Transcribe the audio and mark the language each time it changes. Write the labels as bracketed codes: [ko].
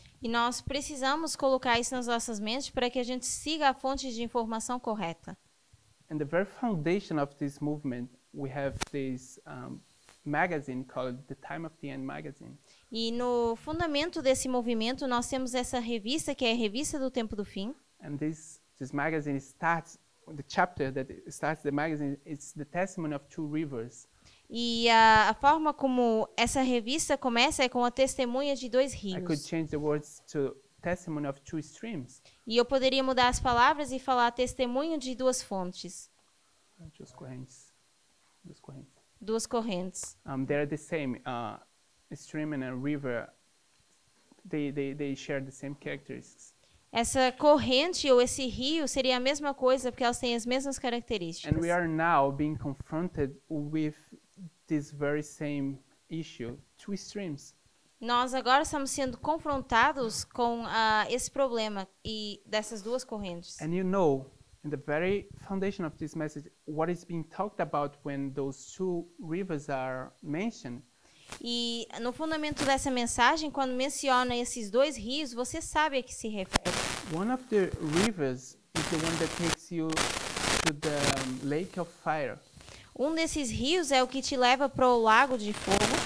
[pt] E nós precisamos colocar isso nas nossas mentes para que a gente siga a fonte de informação correta. [en] And the very foundation of this movement, we have this magazine called The Time of the End magazine. [pt] E no fundamento desse movimento nós temos essa revista que é a revista do tempo do fim. [en] And this magazine starts. The chapter that starts the magazine is the testimony of two rivers. [pt] E a forma como essa revista começa é com a testemunha de dois rios. [en] I could change the words to testimony of two streams. [pt] E eu poderia mudar as palavras e falar testemunho de duas fontes. Duas correntes. Duas correntes. [en] They are the same. A stream and a river. They share the same characteristics. [pt] Essa corrente ou esse rio seria a mesma coisa porque elas têm as mesmas características. [en] And we are now being confronted with this very same issue, two streams. [pt] Nós agora estamos sendo confrontados com esse problema e dessas duas correntes. [en] And you know, in the very foundation of this message, what is being talked about when those two rivers are mentioned. [pt] E no fundamento dessa mensagem, quando menciona esses dois rios, você sabe a que se refere. [en] One of the rivers is the one that takes you to the lake of fire. [pt] Um desses rios é o que te leva para o lago de fogo.